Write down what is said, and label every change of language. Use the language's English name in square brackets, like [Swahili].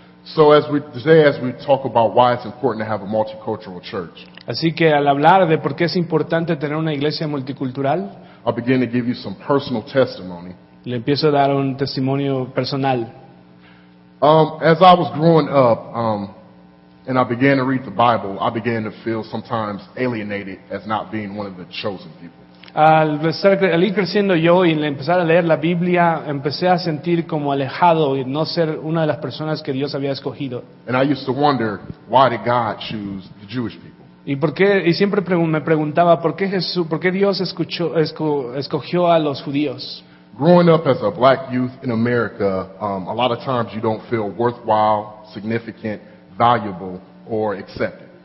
[English] So as we talk about why it's important to have a multicultural church. [Spanish] Así que al hablar de por qué es importante tener una iglesia multicultural, [English] I begin to give you some personal testimony. [Spanish] Le empiezo a dar un testimonio personal. [English] As I was growing up, and I began to read the Bible, I began to feel sometimes alienated as not being one of the chosen people. [Spanish] Al ir creciendo yo y empezar a leer la Biblia, empecé a sentir como alejado y no ser una de las personas que Dios había escogido. [English] And I used to wonder, why did God choose the Jewish people? [Spanish] Y siempre me preguntaba, ¿por qué Dios escogió a los judíos? [English] Growing up as a black youth in America, a lot of times you don't feel worthwhile, significant, valuable or accepted.